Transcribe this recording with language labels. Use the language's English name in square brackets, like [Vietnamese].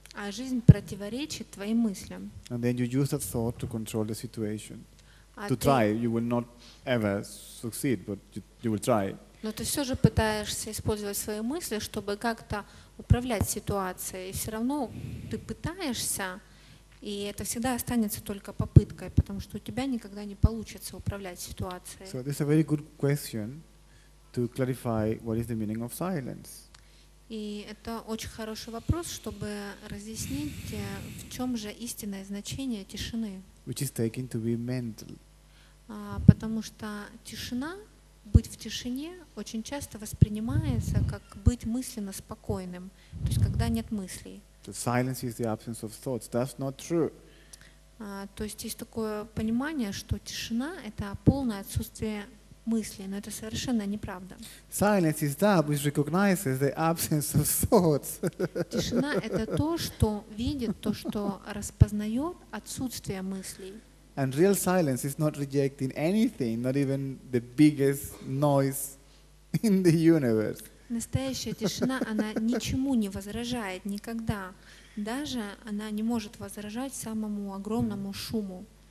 [Russian] А жизнь противоречит твоим мыслям. [English] And then you use that thought to control the situation. To try, you will not ever succeed, but you will try. [Russian] Но ты все же пытаешься использовать свои мысли, чтобы как-то управлять ситуацией. И все равно ты пытаешься, и это всегда останется только попыткой, потому что у тебя никогда не получится управлять ситуацией. [English] So this is a very good question to clarify what is the meaning of silence. [Russian] И это очень хороший вопрос, чтобы разъяснить, в чем же истинное значение тишины. [English] Which is taken to be mental. [Russian] Потому что тишина, быть в тишине, очень часто воспринимается как быть мысленно спокойным, то есть когда нет мыслей. [English] The silence is the absence of thoughts. That's not true. [Russian] То есть есть такое понимание, что тишина — это полное отсутствие мыслей, но это совершенно неправда. [English] Silence is that which recognizes the absence of thoughts. [Russian] Тишина — это то, что видит, то, что распознает отсутствие мыслей. [English] And real silence is not rejecting anything, not even the biggest noise in the universe. [Russian] Настоящая тишина, она ничему не возражает никогда. Даже она не может возражать самому огромному шуму.